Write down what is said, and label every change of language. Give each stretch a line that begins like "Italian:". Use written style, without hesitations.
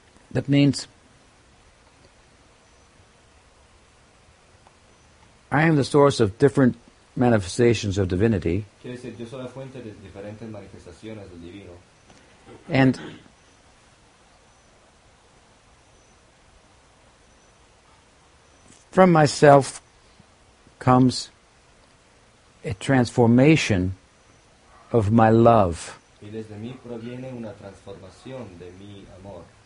English: That means I am the source of different manifestations of divinity.
Spanish: Quiere decir, yo soy la fuente de diferentes manifestaciones del divino.
English: And from myself comes a transformation of my love.
Spanish: Y desde mí proviene una transformación de mi amor.